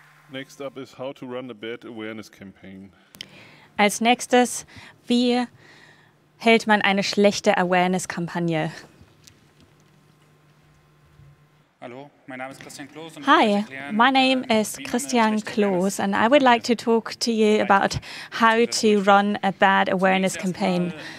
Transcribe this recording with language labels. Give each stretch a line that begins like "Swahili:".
English: Next up is how to run a bad awareness campaign.
German: Als nächstes, wie hält man eine schlechte Awareness-Kampagne? Hallo, mein Name ist Christian Kloos.
English: Hi, my name is Christian Kloos, and I would like to talk to you about how to run a bad awareness campaign.